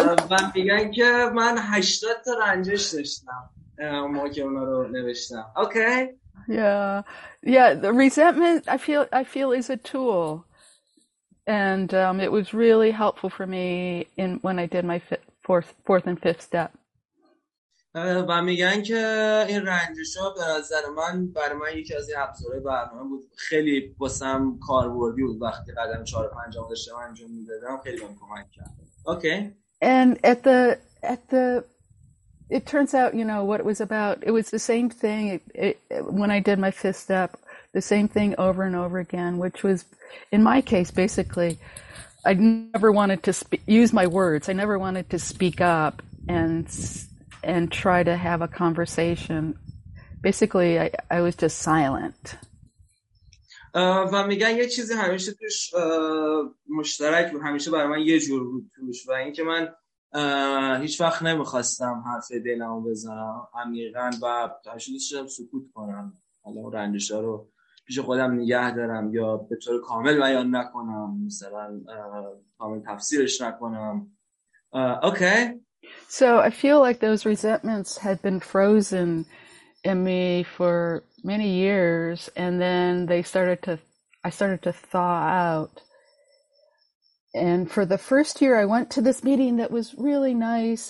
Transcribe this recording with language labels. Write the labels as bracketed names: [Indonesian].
[Persian] و میگن که من 80 تا رنجش داشتم موقع که اونا رو نوشتم. [English] Okay. Yeah, the resentment I feel is a tool, and it was really helpful for me in when I did my fourth and fifth step. [Persian] و میگن که این رنجش ها به نظر من برای من یکی از ابزارهای برنامه بود، خیلی واسم کاربردی بود وقتی قدم 4 و 5 داشتم انجام میدادم، خیلی بهم کمک کرد. [English] Okay. And at the it turns out, you know, what it was about. It was the same thing when I did my fifth step, the same thing over and over again, which was, in my case, basically, I never wanted to use my words. I never wanted to speak up and try to have a conversation. Basically, I was just silent. [Persian] و میگن یه چیزی همیشه توش مشترک بود، همیشه برای من یه جور بود توش، و اینکه من هیچ وقت نمیخواستم حرف دلمو بزنم عمیقا و تاشوشم سکوت کنم، حالا اون رنجشا رو پیش خودم نگه دارم یا به طور کامل بیان نکنم، مثلا کامل تفسیرش نکنم. [English] Okay. So I feel like those resentments had been frozen in me for many years, and then I started to thaw out. And for the first year, I went to this meeting that was really nice.